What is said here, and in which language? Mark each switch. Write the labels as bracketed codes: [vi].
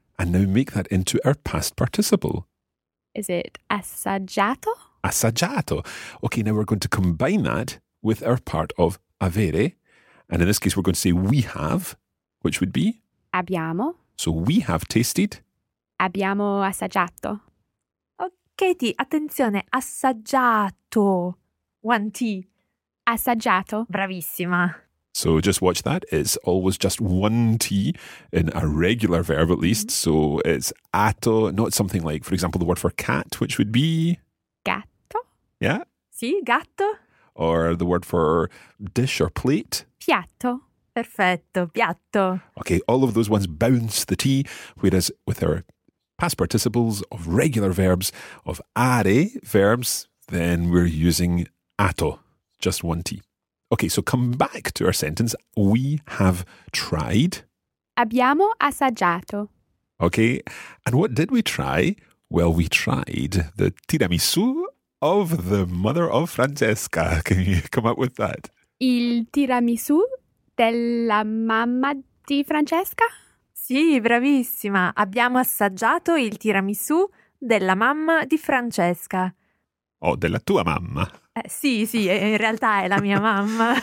[en] And now make that into our past participle. Is it assaggiato? [it] Assaggiato. [en] Okay, now we're going to combine that with our part of avere. And in this case, we're going to say we have, which would be? [it] Abbiamo. [en] So we have tasted. [it] Abbiamo assaggiato. Oh, Katie, attenzione, assaggiato. [en] One T. [it] Assaggiato. Bravissima. [en] So just watch that. It's always just one T in a regular verb, at least. Mm-hmm. So it's ato, not something like, for example, the word for cat, which would be? [it] Gatto. [en] Yeah. [it] Sì, gatto. [en] Or the word for dish or plate. [it] Piatto. Perfetto, piatto. [en] Okay, all of those ones bounce the T, whereas with our past participles of regular verbs, of are verbs, then we're using ato, just one T. Okay, so come back to our sentence. We have tried. [it] Abbiamo assaggiato. [en] Okay, and what did we try? Well, we tried the tiramisu of the mother of Francesca. Can you come up with that? [it] Il tiramisu della mamma di Francesca? Sì, bravissima. Abbiamo assaggiato il tiramisù della mamma di Francesca. Oh, della tua mamma? Sì, in realtà è la mia mamma.